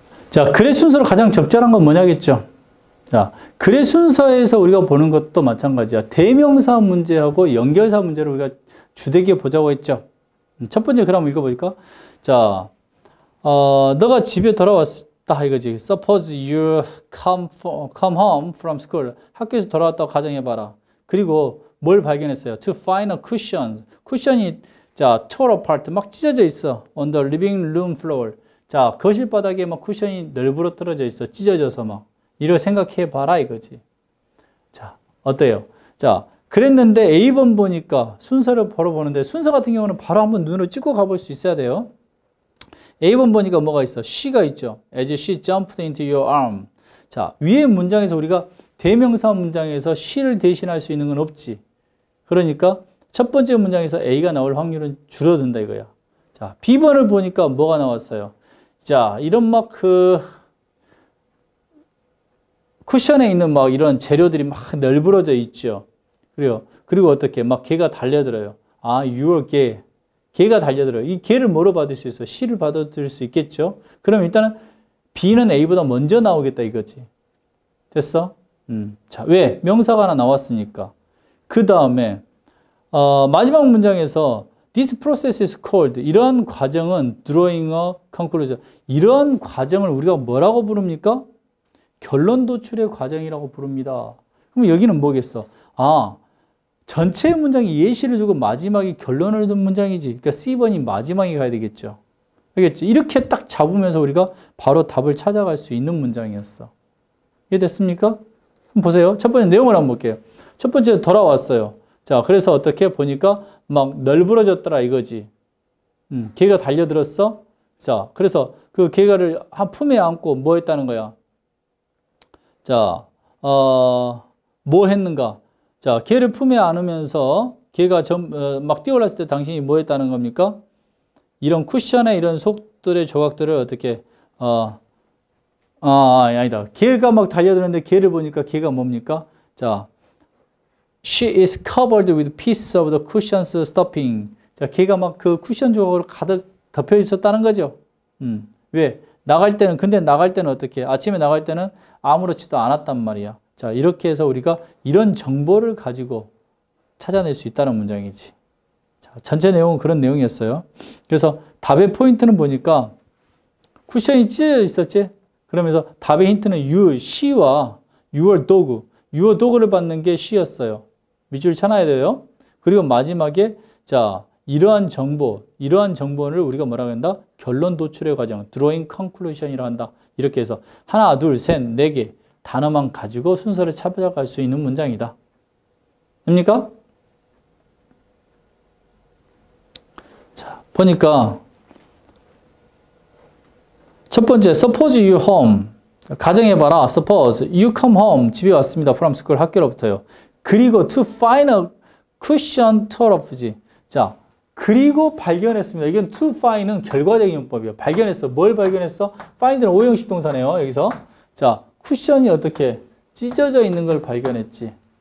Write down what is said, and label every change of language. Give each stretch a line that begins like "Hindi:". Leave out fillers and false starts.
Korean: 자, 글의 순서로 가장 적절한 건 뭐냐겠죠? 자, 글의 순서에서 우리가 보는 것도 마찬가지야. 대명사 문제하고 연결사 문제를 우리가 주되게 보자고 했죠. 첫 번째 글 한번 읽어볼까? 자, 너가 집에 돌아왔다. 이거지.
English: Suppose you come home from school.
Korean: 학교에서 돌아왔다고 가정해봐라. 그리고 뭘 발견했어요?
English: To find a cushion.
Korean: 쿠션이, 자,
English: tore apart.
Korean: 막 찢어져 있어.
English: On the living room floor.
Korean: 자, 거실 바닥에 막 쿠션이 널브러뜨려져 있어. 찢어져서 막. 이를 생각해 봐라, 이거지. 자, 어때요? 자, 그랬는데 A번 보니까 순서를 바로 보는데, 순서 같은 경우는 바로 한번 눈으로 찍고 가볼 수 있어야 돼요. A번 보니까 뭐가 있어? She가 있죠.
English: As she jumped into your arm.
Korean: 자, 위에 문장에서 우리가 대명사 문장에서 she를 대신할 수 있는 건 없지. 그러니까 첫 번째 문장에서 A가 나올 확률은 줄어든다 이거야. 자, B번을 보니까 뭐가 나왔어요? 자, 이런 막 그 쿠션에 있는 막 이런 재료들이 막 널브러져 있죠. 그리고 어떻게 막 개가 달려들어요. 아, your 개. 개가 달려들어요. 이 개를 뭐로 받을 수 있어? 시를 받아들일 수 있겠죠? 그럼 일단은 B는 A보다 먼저 나오겠다 이거지. 됐어? 자, 왜? 명사가 하나 나왔으니까. 그 다음에, 마지막 문장에서
English: This process is called.
Korean: 이런 과정은
English: drawing a conclusion.
Korean: 이런 과정을 우리가 뭐라고 부릅니까? 결론 도출의 과정이라고 부릅니다. 그럼 여기는 뭐겠어? 아, 전체 문장이 예시를 주고 마지막이 결론을 둔 문장이지. 그러니까 C번이 마지막에 가야 되겠죠. 알겠지? 이렇게 딱 잡으면서 우리가 바로 답을 찾아갈 수 있는 문장이었어. 이해됐습니까? 한번 보세요. 첫 번째 내용을 한번 볼게요. 첫 번째 돌아왔어요. 자, 그래서 어떻게 보니까 막 널브러졌더라 이거지. 개가 달려들었어. 자, 그래서 그 개가를 한 품에 안고 뭐 했다는 거야? 자, 뭐 했는가? 자, 개를 품에 안으면서 개가 막 뛰어올랐을 때 당신이 뭐 했다는 겁니까? 이런 쿠션의 이런 속들의 조각들을 어떻게 아니다. 개가 막 달려드는데 개를 보니까 개가 뭡니까?
English: 자, She is covered with pieces of the cushion's stuffing.
Korean: 자, 개가 막 그 쿠션 조각으로 가득 덮여 있었다는 거죠. 왜? 나갈 때는, 근데 나갈 때는 어떻게? 아침에 나갈 때는 아무렇지도 않았단 말이야. 자, 이렇게 해서 우리가 이런 정보를 가지고 찾아낼 수 있다는 문장이지. 자, 전체 내용은 그런 내용이었어요. 그래서 답의 포인트는 보니까 쿠션이 찢어져 있었지? 그러면서 답의 힌트는 she와
English: your dog. Your dog
Korean: 를 받는 게 she였어요. 밑줄 쳐놔야 돼요. 그리고 마지막에, 자, 이러한 정보를 우리가 뭐라고 한다? 결론 도출의 과정,
English: drawing conclusion
Korean: 이라 한다. 이렇게 해서 하나, 둘, 셋, 네 개 단어만 가지고 순서를 찾아갈 수 있는 문장이다. 됩니까?
English: 자, 보니까 첫 번째, suppose you home.
Korean: 가정해봐라.
English: Suppose you come home.
Korean: 집에 왔습니다.
English: From school.
Korean: 학교로부터요.
English: 그리고 to find a cushion tore up.
Korean: 자, 그리고 발견했습니다. 이건 to find은 결과적인 용법이에요. 발견했어. 뭘 발견했어? find는 오형식 동사네요. 여기서. 자, 쿠션이 어떻게 찢어져 있는 걸 발견했지.